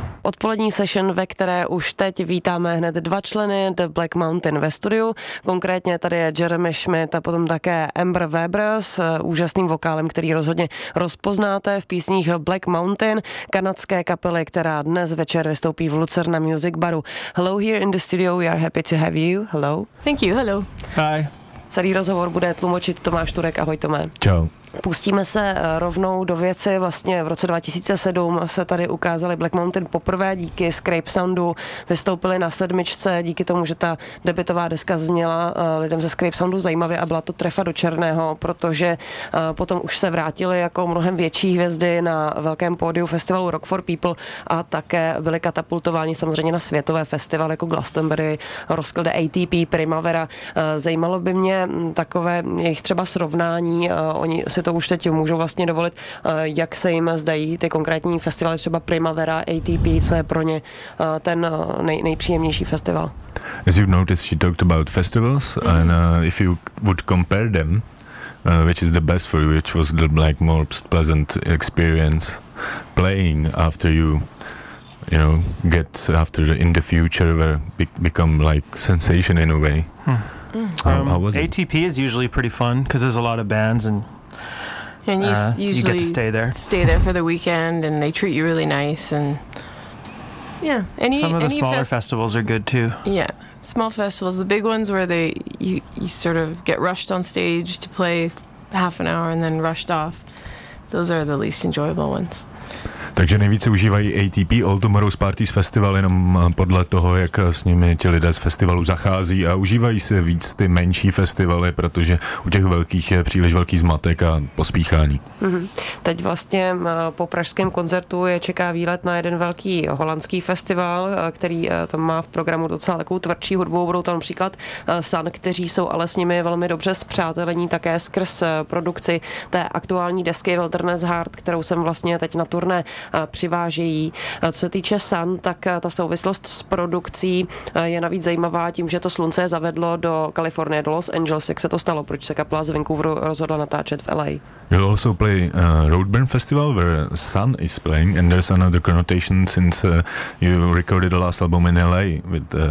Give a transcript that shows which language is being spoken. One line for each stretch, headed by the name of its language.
Czech: Odpolední session, ve které už teď vítáme hned dva členy The Black Mountain ve studiu. Konkrétně tady je Jeremy Schmidt a potom také Amber Weber s úžasným vokálem, který rozhodně rozpoznáte v písních Black Mountain, kanadské kapely, která dnes večer vystoupí v Lucerna Music Baru.
English: Hello here in the studio, we are happy to have you. Hello. Thank you, hello. Hi.
Czech: Celý rozhovor bude tlumočit Tomáš Turek. Ahoj Tome. Čau. Pustíme se rovnou do věci. Vlastně v roce 2007 se tady ukázali Black Mountain poprvé díky Scrape Soundu. Vystoupili na sedmičce díky tomu, že ta debutová deska zněla lidem ze Scrape Soundu zajímavě a byla to trefa do černého, protože potom už se vrátili jako mnohem větší hvězdy na velkém pódiu festivalu Rock for People a také byli katapultováni samozřejmě na světové festivaly jako Glastonbury, Roskilde, ATP, Primavera. Zajímalo by mě takové jejich třeba srovnání. Oni si to už teď můžou vlastně dovolit, jak se jim zdají ty konkrétní festivaly, třeba Primavera, ATP, co je pro ně ten nejpříjemnější festival.
English: As you've noticed, she talked about festivals, and if you would compare them, which is the best for you, which was the like most pleasant experience playing after you know, get after the, in the future where become like sensation in a way. How was ATP it? Is usually pretty fun because there's a lot of bands and you usually you get to stay there for the weekend, and they treat you really nice, and yeah. Some of the smaller festivals are good too. Yeah, small festivals, the big ones where you sort of get rushed on stage to play half an hour and then rushed off. Those are the least enjoyable ones.
Czech: Takže nejvíce užívají ATP, All Tomorrow's Parties Festival, jenom podle toho, jak s nimi ti lidé z festivalu zachází, a užívají se víc ty menší festivaly, protože u těch velkých je příliš velký zmatek a pospíchání. Mm-hmm. Teď vlastně po pražském koncertu je čeká výlet na jeden velký holandský festival, který tam má v programu docela takovou tvrdší hudbu, budou tam například Sun, kteří jsou ale s nimi velmi dobře spřátelení také skrz produkci té aktuální desky Wilderness Heart, kterou jsem vlastně teď na turné přivážejí. Co se týče Sun, tak ta souvislost s produkcí je navíc zajímavá tím, že to slunce je zavedlo do Kalifornie, do Los Angeles. Jak se to stalo? Proč se kapela z Vancouveru rozhodla natáčet v LA?
English: You also play Roadburn Festival where Sun is playing, and there's another connotation since you recorded the last album in LA with